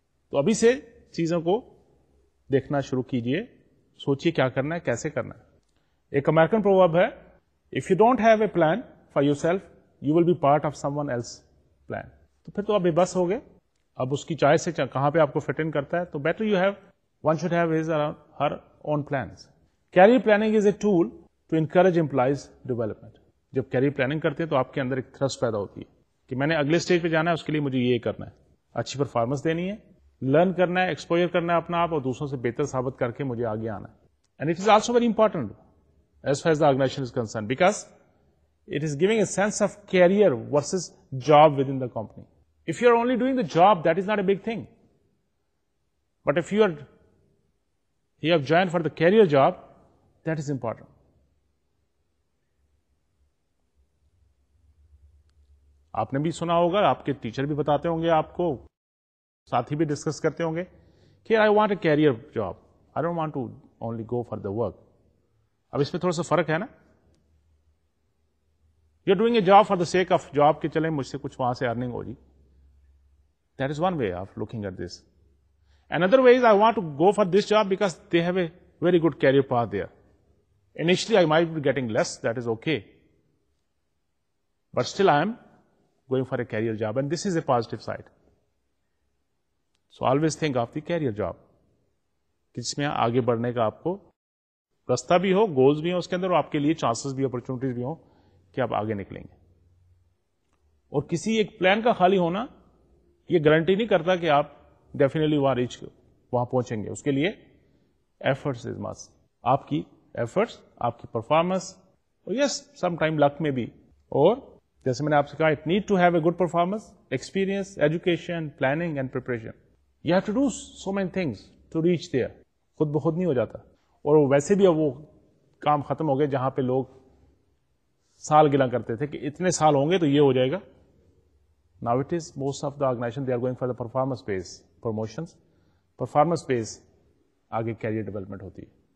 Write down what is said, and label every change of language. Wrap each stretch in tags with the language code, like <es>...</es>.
<ur>تو ابھی سے چیزوں کو دیکھنا شروع کیجئے, سوچئے کیا کرنا ہے, کیسے کرنا ہے. ایک امریکن پروورب ہے,</ur> <en>If you don't have a plan for yourself you will be part of someone else plan.</en> <ur>تو پھر تو آپ بے بس ہو گئے, اب اس کی چوائس سے کہاں پہ آپ کو فٹ ان کرتا ہے.</ur> <en>تو better you have one should have his her own plans. Career planning is a tool to encourage employees development.</en> <ur>جب کیریئر پلاننگ کرتے ہیں تو آپ کے اندر ایک تھرسٹ پیدا ہوتی ہے کہ میں نے اگلے اسٹیج پہ جانا ہے, اس کے لیے مجھے یہ کرنا ہے, اچھی پرفارمنس دینی ہے, لرن کرنا ہے, ایکسپوجر کرنا ہے اپنا آپ, اور دوسروں سے بہتر ثابت کر کے مجھے آگے آنا ہے.</ur> <en>And it is also very important as far as the organisation is concern, because it is giving a sense of career versus job within the company. If you are only doing the job that is not a big thing, but if you are you have join for the career job that is important.</en> <ur>آپ نے بھی سنا ہوگا, آپ کے teacher بھی بتاتے ہوں گے, آپ کو ساتھی بھی ڈسکس کرتے ہوں گے کہ</ur> <en>I want a career job, I don't want to only go for the work.</en> <ur>اب اس میں تھوڑا سا فرق ہے نا,</ur> <en>you doing a job for the sake of job</en> <ur>کے چلیں مجھ سے کچھ وہاں سے earning ہو جی,</ur> <en>That is one way of looking at this. And other way is I want to go for this job because they have a very good career path there. Initially I might be getting less, that is okay, but still I am going for a career job, and this is a positive side. So always think of the career job.</en> <ur>جس میں آگے بڑھنے کا آپ کو رستہ بھی ہو, goals بھی ہوں اس کے اندر, اور آپ کے لیے چانسز بھی, اپرچونیٹیز بھی ہوں کہ آپ آگے نکلیں گے. اور کسی ایک پلان کا خالی ہونا یہ گارنٹی نہیں کرتا کہ آپ ڈیفینیٹلی وہاں ریچ وہاں پہنچیں گے. اس کے لیے</ur> <en>efforts is must,</en> <ur>آپ کی ایفرٹس, آپ کی پرفارمنس, اور</ur> <en>yes some time look</en> <ur>میں بھی, اور جیسے میں نے آپ سے کہا</ur> <en>It need to have a good performance, experience, education, planning and preparation. You have to do so many things to reach there,</en> <ur>خود بخود نہیں ہو جاتا. اور ویسے بھی اب وہ کام ختم ہو گئے جہاں پہ لوگ سال گلا کرتے تھے کہ اتنے سال ہوں گے تو یہ ہو جائے گا.</ur> <en>now it is most of the organization they are going for the performance base promotions, performance base</en> <ur>آگے کیریئر ڈیولپمنٹ ہوتی ہے.</ur>